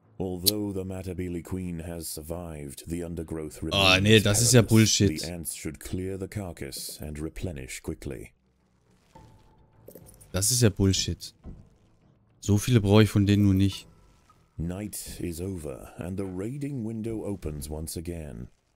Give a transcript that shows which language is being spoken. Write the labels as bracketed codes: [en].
[en] Although the Matabele Queen has survived, the undergrowth remains. [de] Oh nee, das ist ja Bullshit. [en] The ants should clear the carcass and replenish quickly. [de] Das ist ja Bullshit. So viele brauche ich von denen nur nicht. [en] Night is over and the raiding window opens once again.